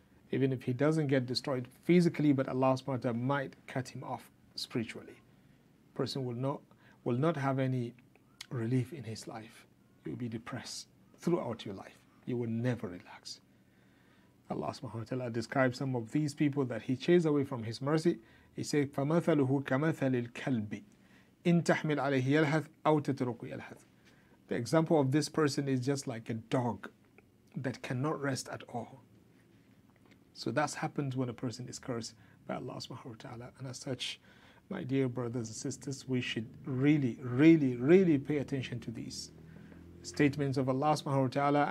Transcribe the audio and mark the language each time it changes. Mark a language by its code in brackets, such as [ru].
[en] Even if he doesn't get destroyed physically, but Allah subhanahu wa ta'ala might cut him off spiritually. Person will not have any relief in his life. You'll be depressed throughout your life. You will never relax. Allah subhanahu wa ta'ala describes some of these people that he chased away from his mercy. He said, [ar] فَمَثَلُهُ كَمَثَلِ الْكَلْبِ إِن تَحْمِلْ عَلَيْهِ يَلْحَثْ أَوْ تَتْرُكُ يَلْحَثْ. [en] The example of this person is just like a dog that cannot rest at all. So that happens when a person is cursed by Allah subhanahu wa ta'ala. And as such, my dear brothers and sisters, we should really, really, really pay attention to these statements of Allah subhanahu wa ta'ala.